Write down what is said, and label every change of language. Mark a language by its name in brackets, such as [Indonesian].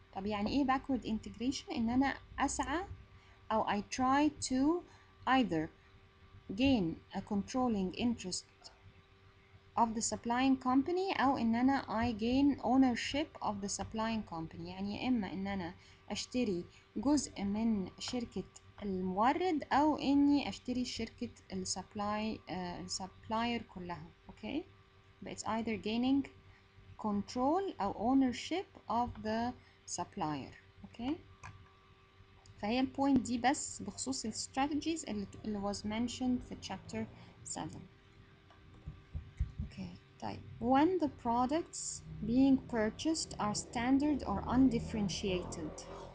[Arabic] طب يعني ايه باكورد انتجريشن؟ ان انا اسعى [English] او I try to either gain a controlling interest of the supplying company [Arabic] او ان انا [English] I gain ownership of the supplying company. [Arabic] يعني اما ان انا اشتري جزء من شركة المورد او اني اشتري شركة السبلاير كلها. [English] Okay, but it's either gaining control or ownership of the supplier. [Arabic] Okay, فهي البوينت دي بس بخصوص الاستراتيجيز اللي [English] was mentioned [Arabic] في chapter 7. [English] Okay, طيب when the products being purchased are standard or undifferentiated.